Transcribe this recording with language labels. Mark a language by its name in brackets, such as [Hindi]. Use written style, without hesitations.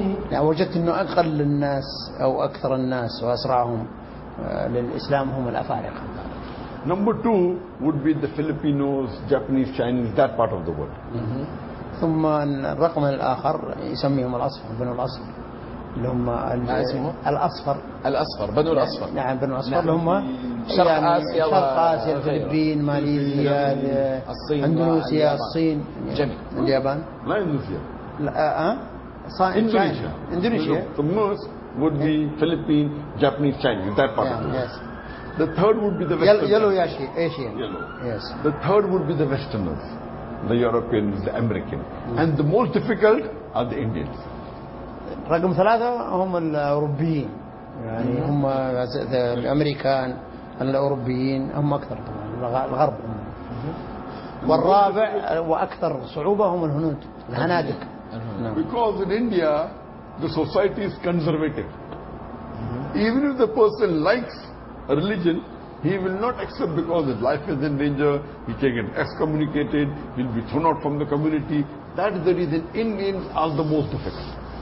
[Arabic] يعني وجدت أنه أقل الناس أو أكثر الناس وأسرعهم للإسلام هم الأفارقة. [English] Number two would be the Filipinos, Japanese, Chinese, that part of the world. [Arabic] ثم الرقم الآخر يسميهم الأصفر, بنو الأصفر اللي هم الأصفر. الأصفر, بنو الأصفر. نعم, بنو الأصفر اللي هم شرق آسيا, شرق آسيا, الفلبين, ماليزيا, الصين, إندونيسيا, الصين, جميل, اليابان. لا إندونيسيا. لا إندونيسيا. إندونيسيا. [English] The most would be Philippines, Japanese, Chinese, that part of the world. The third would be the Westerners. Yellow, yellow, Asian. Yellow. Yes. The third would be the Westerners, the Europeans, the American. Mm. And the most difficult are the Indians. [Arabic] رقم ثلاثة هم الأوروبيين. يعني هم الأمريكان, الأوروبيين هم أكثر الغرب. والرابع وأكثر صعوبة هم الهنود, الهنادك. [English] Because in India, the society is conservative. Even if the person likes a religion, he will not accept because his life is in danger, he can get excommunicated, he'll be thrown out from the community. That is the reason Indians are the most difficult.